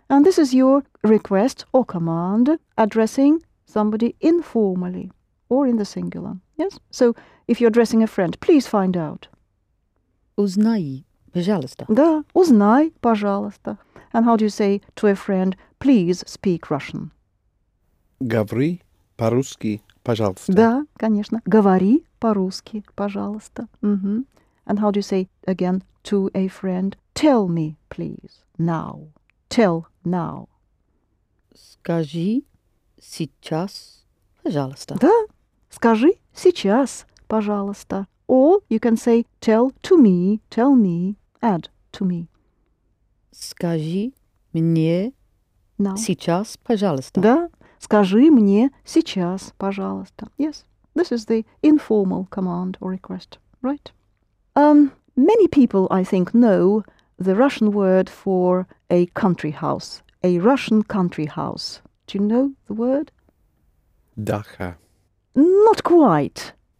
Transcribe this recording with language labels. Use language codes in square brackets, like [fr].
[en] And this is your request or command addressing somebody informally or in the singular. Yes? So if you're addressing a friend, please find out. [ru] Узнай, пожалуйста. Да, узнай, пожалуйста. [en] And how do you say to a friend, please speak Russian? [ru] Говори по-русски, пожалуйста. Да, конечно. Говори по-русски, пожалуйста. Mm-hmm. [en] And how do you say again to a friend, tell me, please, now. Tell now. [ru] Скажи сейчас, пожалуйста. Да, скажи сейчас, пожалуйста. [en] Or you can say, tell me, add to me. [ru] Скажи мне [en] now. [ru] Сейчас, пожалуйста. Да, скажи мне сейчас, пожалуйста. [en] Yes, this is the informal command or request, right? Many people, I think, know the Russian word for a country house. A Russian country house. Do you know the word? [ru] Dacha. [en] Not quite.